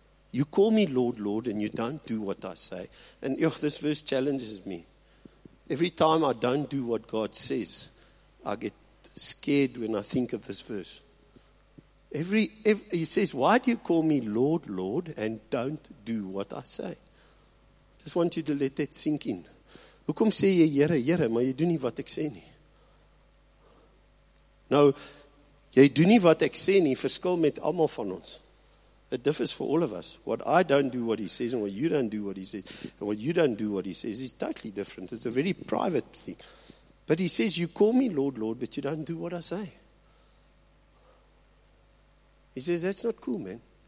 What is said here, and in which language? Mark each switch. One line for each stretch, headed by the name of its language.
English: You call me Lord, Lord, and you don't do what I say." And this verse challenges me. Every time I don't do what God says, I get scared when I think of this verse. He says, "Why do you call me Lord, Lord, and don't do what I say?" Just want you to let that sink in.
Afrikaans: Hoekom sê jy Here, Here, maar jy doen nie wat ek sê nie? Nou, jy doen nie wat ek sê nie, verskil met almal van ons.
English: It differs for all of us. What I don't do what he says, and what you don't do what he says, and what you don't do what he says, is totally different. It's a very private thing. But he says, "You call me Lord, Lord, but you don't do what I say." He says, that's not cool, man.